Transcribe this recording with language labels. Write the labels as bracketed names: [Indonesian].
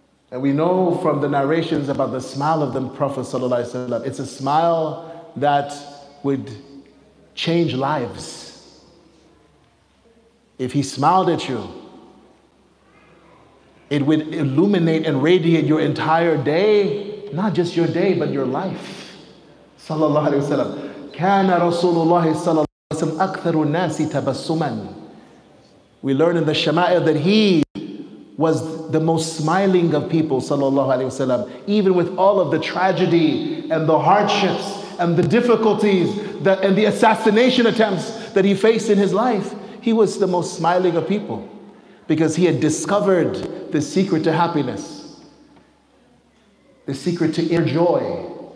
[English] And we know from the narrations about the smile of the Prophet sallallahu alayhi wa sallam, it's a smile that would change lives. If he smiled at you, it would illuminate and radiate your entire day, not just your day, but your life. Sallallahu alayhi wa sallam. [Arabic] كان رسول الله صلى الله عليه وسلم أكثر الناس تبسما. [English] We learn in the Shama'il that he was the most smiling of people, sallallahu alayhi wasallam. Even with all of the tragedy and the hardships and the difficulties that, and the assassination attempts that he faced in his life, he was the most smiling of people because he had discovered the secret to happiness, the secret to inner joy.